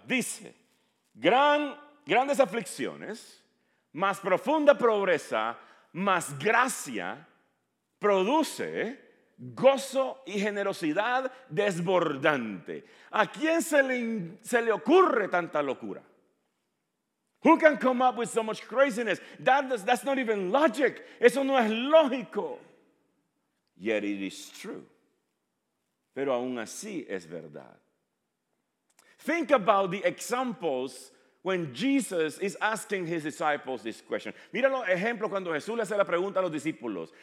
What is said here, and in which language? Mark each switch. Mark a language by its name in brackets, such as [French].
[Spanish] Dice, grandes aflicciones, más profunda pobreza, más gracia, produce gozo y generosidad desbordante. ¿A quién se le ocurre tanta locura? [English] Who can come up with so much craziness? That's not even logic. [Spanish] Eso no es lógico. [English] Yet it is true. [Spanish] Pero aún así es verdad. [English] Think about the examples when Jesus is asking his disciples this question. [Spanish] Mira los ejemplos cuando Jesús le hace la pregunta a los discípulos.